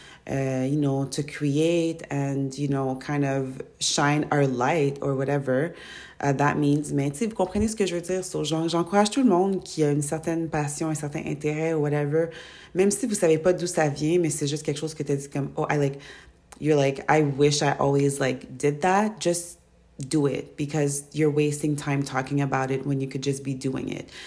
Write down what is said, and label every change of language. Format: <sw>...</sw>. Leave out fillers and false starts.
<en>You know, to create and, you know, kind of shine our light or whatever that means.</en> <fr>Mais, tu sais, vous comprenez ce que je veux dire. So, j'encourage tout le monde qui a une certaine passion, un certain intérêt ou whatever, même si vous savez pas d'où ça vient, mais c'est juste quelque chose que tu as dit comme, oh,</fr> <en>I like, you're like, I wish I always, like, did that. Just do it because you're wasting time talking about it when you could just be doing it.</en>